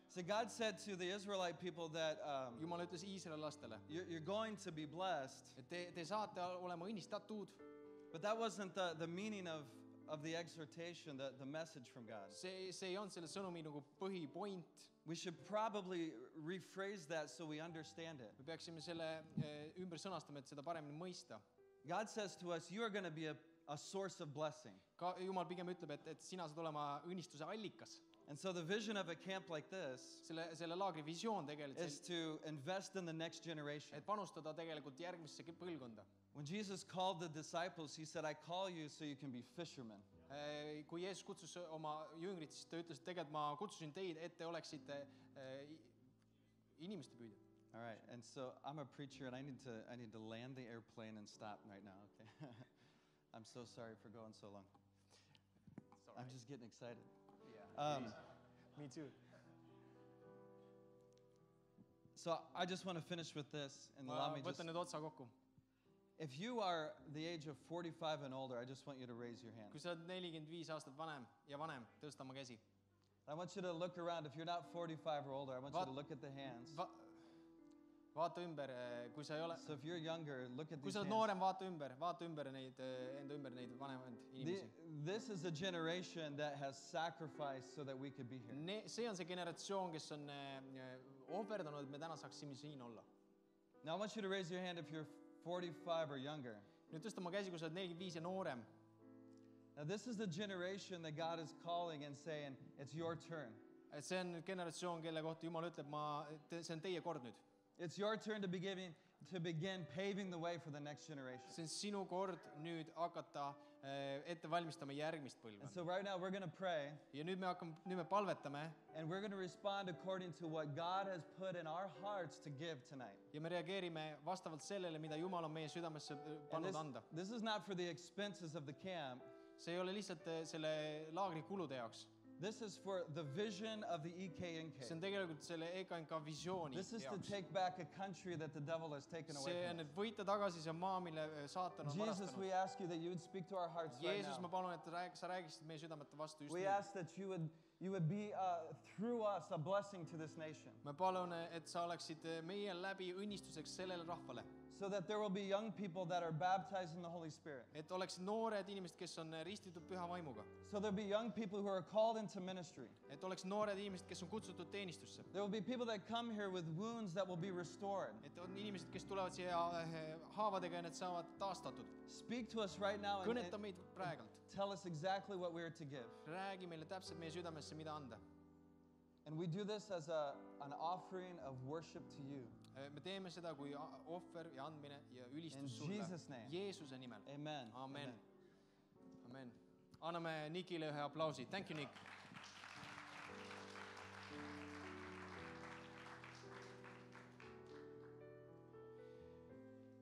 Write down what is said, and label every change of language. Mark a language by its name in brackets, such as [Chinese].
[English] So God said to the Israelite people that [Estonian] Jumal ütles Iisrael lastele, [English] you're going to be blessed. [Estonian] Te saate olema õnnistatud. [English] But that wasn't the meaning of the exhortation, the message from God. [Estonian] See on selle sõnumi nagu põhi point. [English] We should probably rephrase that so we understand it. [Estonian] Me peaksime selle ümber sõnastama, et seda paremini mõista. [English] God says to us, you are going to be a source of blessing. [Estonian] Jumal pigem ütleb, et sina saad olema õnnistuse allikas. [English] And so the vision of a camp like this [Estonian] selle laagri visioon tegelikult [English] is to invest in the next generation. [Estonian] Et panustada tegelikult järgmisse põlvkonda. [English] When Jesus called the disciples, he said, I call you so you can be fishermen. [Estonian] Kui Jeesus kutsus oma jüngrid, siis ta ütles, et tegelikult ma kutsusin teid, et te oleksite inimeste püüdjad. [English] All right, and so I'm a preacher and I need to land the airplane and stop right now, okay? I'm so sorry for going so long. Sorry. I'm just getting excited. Yeah, me too. So I just want to finish with this and allow me just... [Estonian] Need otsa kokku. [English] If you are the age of 45 and older, I just want you to raise your hand. [Estonian] Kui sa oled 45 aastat vanem ja vanem, tõsta oma käsi. [English] I want you to look around. If you're not 45 or older, I want you to look at the hands. [Estonian] Vaata ümber, kui sa ei ole. [English] So if you're younger, look at these hands. [Estonian] Kui sa oled noorem, vaata ümber neid, enda ümber neid vanemad inimesi. [English] This is a generation that has sacrificed so that we could be here. [Estonian] See on see generatsioon, kes on ohverdanud, et me täna saaksime siin olla. [English] Now I want you to raise your hand if you're 45 or younger. [Estonian] Nüüd tõsta ma käsi, kui sa oled 45 ja noorem. [English] Now this is the generation that God is calling and saying, it's your turn. [Estonian] See on generatsioon, kelle kohta Jumal ütleb, see on teie kord nüüd. [English] It's your turn to begin paving the way for the next generation. [Estonian] See on sinu kord nüüd hakata ette valmistama järgmist põlvkonda. [English] So right now we're going to pray. [Estonian] Ja nüüd me palvetame. [English] And we're going to respond according to what God has put in our hearts to give tonight. [Estonian] Ja me reageerime vastavalt sellele, mida Jumal on meie südamesse pannud anda. [English] This is not for the expenses of the camp. [Estonian] See ei ole lihtsalt selle laagri kulude jaoks. [English] This is for the vision of the EKNK. [Estonian] See on tegelikult selle EKNK visiooni. [English] This is to take back a country that the devil has taken away from us. [Estonian] See on, et võita tagasi see maa, mille saatan on [English] Jesus, we ask you that you would speak to our hearts [Estonian] Jeesus, [English] right now. [Estonian] Jeesus, ma palun, et sa räägisid meie südamete vastu just [English] we [Estonian] nüüd. [English] Ask that you would be through us a blessing to this nation. [Estonian] Ma palun, et sa oleksid meie läbi õnnistuseks sellele rahvale. [English] So that there will be young people that are baptized in the Holy Spirit. [Estonian] Et oleks noored inimesed, kes on ristitud püha vaimuga. [English] So there will be young people who are called into ministry. [Estonian] Et oleks noored inimesed, kes on kutsutud teenistusse. [English] There will be people that come here with wounds that will be restored. [Estonian] Et on inimesed, kes tulevad siia haavadega ja need saavad taastatud. [English] Speak to us right now. [Estonian] Kõneta meid praegalt. [English] Tell us exactly what we are to give. [Estonian] Räägi meile täpselt meie südamesse, mida anda. [English] And we do this as an offering of worship to you. [Estonian] Me teeme seda kui offer ja andmine ja ülistus [English] in [Estonian] sulle. [English] Jesus' name. [Estonian] Jeesuse nimel. Amen. Amen. Amen. Anname Nikile ühe aplausi. [English] Thank you, Nick.